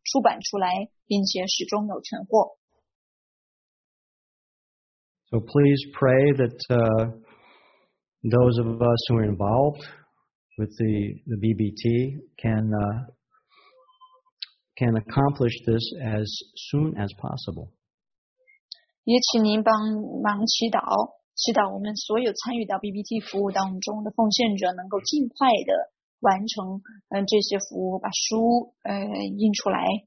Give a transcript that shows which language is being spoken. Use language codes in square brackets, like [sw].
[zh] 谢谢您表达出这样的渴望，当然我们也是有，我们也有热切的渴望，这样让这本书翻译出版出来。刚刚也说到了，我们有很明确的一个目标，就是要确保圣帕帕的所有的书籍能够恰当的被翻译出来、编辑好、出版出来，并且始终有存货。 [en] So please pray that those of us who are involved with the BBT can accomplish this as soon as possible. [zh] 也请您帮忙祈祷我们所有参与到 BBT 服务当中的奉献者能够尽快的完成这些服务，把书印出来。